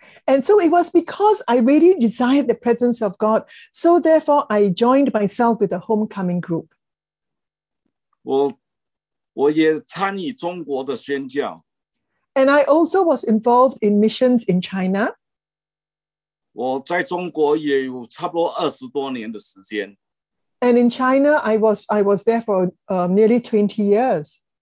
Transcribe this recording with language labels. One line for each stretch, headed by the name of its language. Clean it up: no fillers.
English: And so it was because I really desired the presence of God, so therefore I joined myself with a homecoming group.
Chinese: 我也参与中国的宣教。
English: And I also was involved in missions in China.
Chinese: 我在中国也有差不多20多年的时间。
English: And in China, I was there for nearly 20 years.